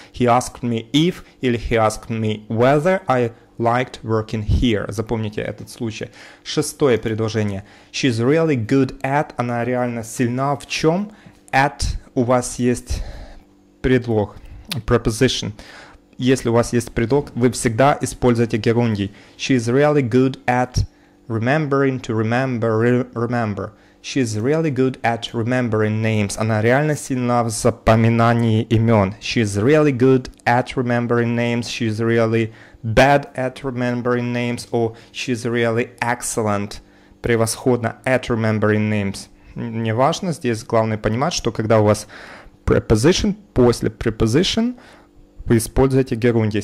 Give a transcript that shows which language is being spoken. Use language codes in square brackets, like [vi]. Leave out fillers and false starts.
[en] He asked me if [ru] или [en] he asked me whether I liked working here. [ru] Запомните этот случай. Шестое предложение. [en] She's really good at, [ru] она реально сильна в чем? At у вас есть предлог, preposition. Если у вас есть предлог, вы всегда используете герундий. [en] She is really good at remembering to remember, remember. She is really good at remembering names. [ru] Она реально сильна в запоминании имен. [en] She is really good at remembering names. She is really bad at remembering names. Or she is really excellent. [ru] Превосходно [en] at remembering names. [ru] Не важно, здесь главное понимать, что когда у вас preposition, после preposition, вы используете герундий.